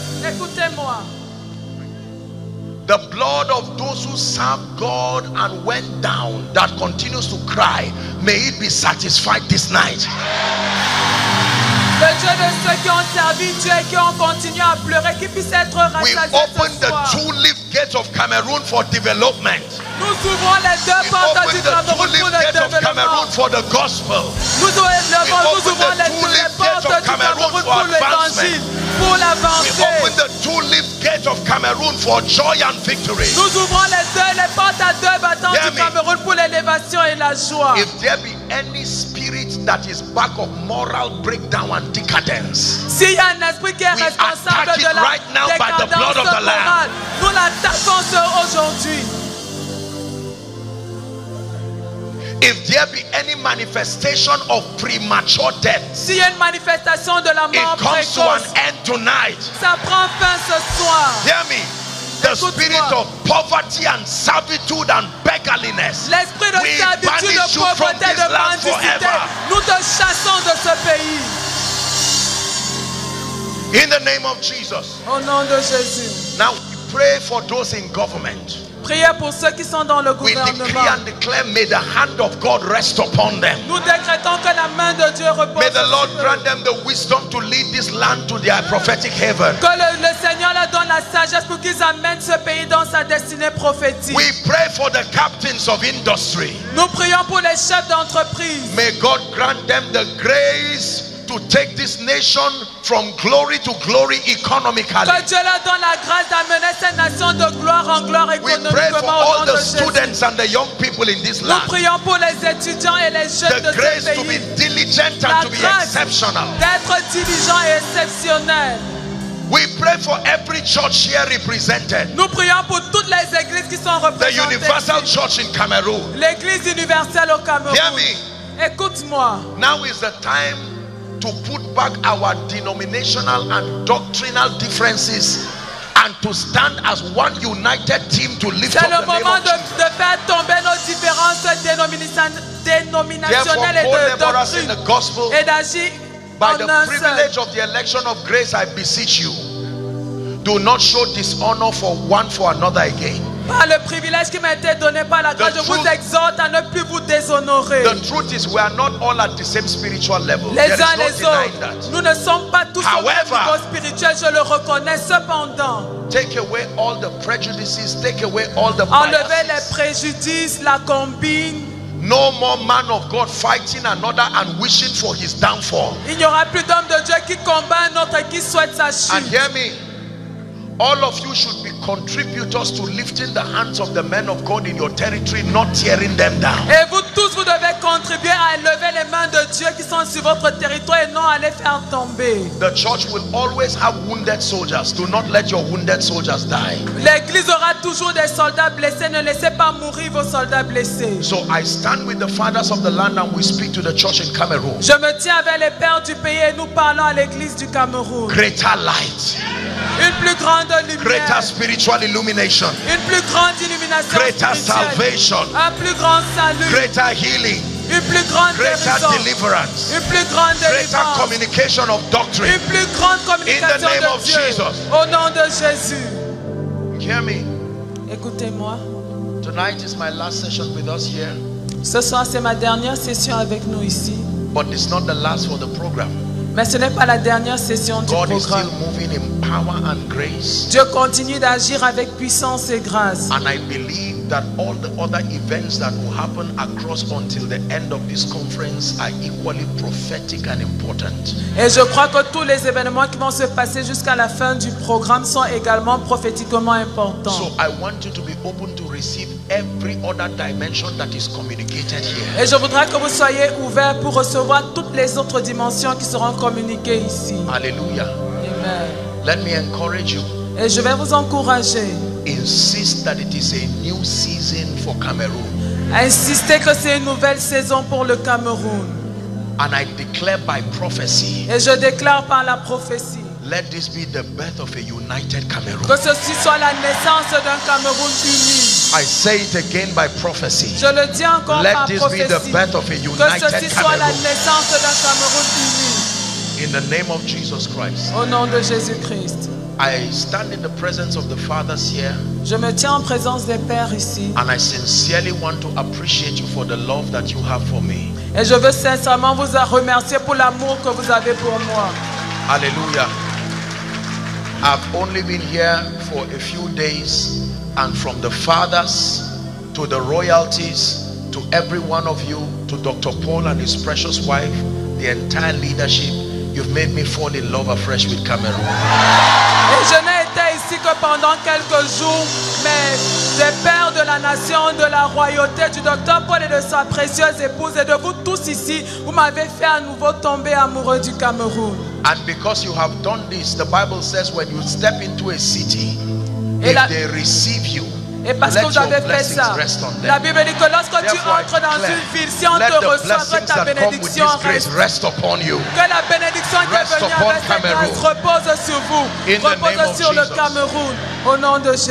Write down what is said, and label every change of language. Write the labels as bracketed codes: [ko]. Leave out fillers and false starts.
[en] The blood of those who served God and went down that continues to cry, may it be satisfied this night. [fr] Le Dieu de ceux qui ont servi Dieu et qui ont continué à pleurer, qui puisse être rassasié ce soir. [en] We open the two leaf gates of Cameroon for development. [fr] Nous ouvrons les deux portes du Cameroun pour le développement. [en] We open the two leaf gates of Cameroon for the gospel. [fr] Nous ouvrons les deux portes du Cameroun pour l'évangile, pour l'avancée. [en] We open the two leaf gates of Cameroon for joy and victory. [fr] Nous ouvrons les deux les portes à deux battants du Cameroun pour l'élévation et la joie. [en] If there be any spirit that is back of moral breakdown and decadence, [fr] si y a un esprit qui est responsable de la [en] right now by the blood of the Lamb. [fr] Nous l'attaquons aujourd'hui. [en] If there be any manifestation of premature death, [fr] si y a une manifestation de la mort [en] it comes [fr] précoce, [en] to an end tonight. [fr] Ça prend fin ce soir. [en] Hear me. The spirit of poverty and servitude and beggarliness, we banish you from this land forever. [fr] Nous te chassons de ce pays. [en] In the name of Jesus. [fr] Au nom de Jésus. [en] Now we pray for those in government. [fr] Priez pour ceux qui sont dans le gouvernement. [en] We decree and declare, may the hand of God rest upon them. [fr] Nous décrétons que la main de Dieu repose sur eux. [en] May the Lord grant them the wisdom to lead this land to their prophetic heaven. [fr] Que le Seigneur leur donne donne la sagesse pour qu'ils amènent ce pays dans sa destinée prophétique. [en] We pray for the captains of industry. [fr] Nous prions pour les chefs d'entreprise. [en] May God grant them the grace to take this nation from glory to glory economically. [fr] Que Dieu leur donne la grâce d'amener cette nation de gloire en gloire économiquement. [en] We pray for all the students and the young people in this land. [fr] Nous prions pour les étudiants et les jeunes de ce pays. [en] The grace to be diligent and to be exceptional. [fr] D'être diligent et exceptionnel. [en] We pray for every church here represented. [fr] Nous prions pour toutes les églises qui sont représentées. [en] The Universal Church in Cameroon. [fr] L'église universelle au Cameroun. [en] Hear me. [fr] Écoute-moi. [en] Now is the time to put back our denominational and doctrinal differences and to stand as one united team to lift [fr] c'est [en] up the name of Jesus. [fr] C'est le moment de faire tomber nos différences dénominationnelles et de doctrine et d'agir. [en] By the privilege of the election of grace, I beseech you, do not show dishonor for one for another again. [fr] Par le privilège qui m'a été donné par la grâce, je vous exhorte à ne plus vous déshonorer. [en] The truth is, we are not all at the same spiritual level. [fr] Les uns les autres, nous ne sommes pas tous au même niveau spirituel. Je le reconnais cependant. [en] Take away all the prejudices. Take away all the biases. [fr] Enlevez les préjudices, la combine. [en] No more man of God fighting another and wishing for his downfall. [fr] Il n'y aura plus d'homme de Dieu qui combat un autre et qui souhaite sa chute. [en] And hear me. All of you should be contributors to lifting the hands of the men of God in your territory, not tearing them down. [fr] Et vous tous, vous devez contribuer à élever les mains de Dieu qui sont sur votre territoire et non à les faire tomber. [en] The church will always have wounded soldiers. Do not let your wounded soldiers die. [fr] L'église aura toujours des soldats blessés. Ne laissez pas mourir vos soldats blessés. [en] So I stand with the fathers of the land and we speak to the church in Cameroon. [fr] Je me tiens avec les pères du pays et nous parlons à l'église du Cameroun. [en] Greater light. [fr] Une plus grande lumière. [en] Greater spiritual illumination. [fr] Une plus grande illumination. [en] Greater salvation. [fr] Un plus grand salut. [en] Greater healing. [fr] Une plus grande [en] greater [fr] guérison. [en] Deliverance. [fr] Une plus grande deliverance. [en] Greater communication of doctrine. [fr] Une plus grande communication [en] in the name [fr] de [en] of [fr] Dieu. [en] Jesus. [fr] Au nom de Jésus. [en] Hear me. [fr] Écoutez-moi. [en] Tonight is my last session with us here. [fr] Ce soir c'est ma dernière session avec nous ici. [en] But it's not the last for the program. [fr] Mais ce n'est pas la dernière session du [en] God [fr] programme. [en] Is still moving in power and grace. [fr] Dieu continue d'agir avec puissance et grâce. [en] And I believe that all the other events that will happen across until the end of this conference are equally prophetic and important. [fr] Et je crois que tous les événements qui vont se passer jusqu'à la fin du programme sont également prophétiquement importants. [en] So I want you to be open to receive every other dimension that is communicated here. [fr] Et je voudrais que vous soyez ouverts pour recevoir toutes les autres dimensions qui seront communiquées ici. Alléluia. Amen. [en] Let me encourage you. [fr] Et je vais vous encourager. [en] Insist that it is a new season for Cameroon. [fr] Insistez que c'est une nouvelle saison pour le Cameroun. [en] And I declare by prophecy. [fr] Et je déclare par la prophétie. [en] Let this be the birth of a united Cameroon. [fr] Que ceci soit la naissance d'un Cameroun uni. [en] I say it again by prophecy. [fr] Je le dis encore [en] Let [fr] par [en] this [fr] prophétie. [en] Be the birth of a united [fr] que ceci [en] Cameroon. [fr] Soit la naissance d'un Cameroun uni. [en] In the name of Jesus Christ. [fr] Au nom de Jésus Christ. [en] I stand in the presence of the fathers here. [fr] Je me tiens en présence des pères ici. [en] And I sincerely want to appreciate you for the love that you have for me. [fr] Et je veux sincèrement vous remercier pour l'amour que vous avez pour moi. Alléluia. [en] I've only been here for a few days, and from the fathers to the royalties to every one of you, to Dr. Paul and his precious wife, the entire leadership, you've made me fall in love afresh with Cameroon. [fr] Et je n'ai été ici que pendant quelques jours, mais les pères de la nation, de la royauté, du docteur Paul et de sa précieuse épouse et de vous tous ici, vous m'avez fait à nouveau tomber amoureux du Cameroun. [en] And because you have done this, the Bible says when you step into a city, if they receive you, [fr] et parce [en] let [fr] que vous avez fait ça, la Bible dit que lorsque [en] Therefore, [fr] tu entres dans [en] declare, [fr] une ville, si on te reçoit, ta bénédiction reste. Que la bénédiction qui est venue avec [en] Cameroon, [fr] cette grâce repose sur vous, repose sur le Cameroun, au nom de Jésus.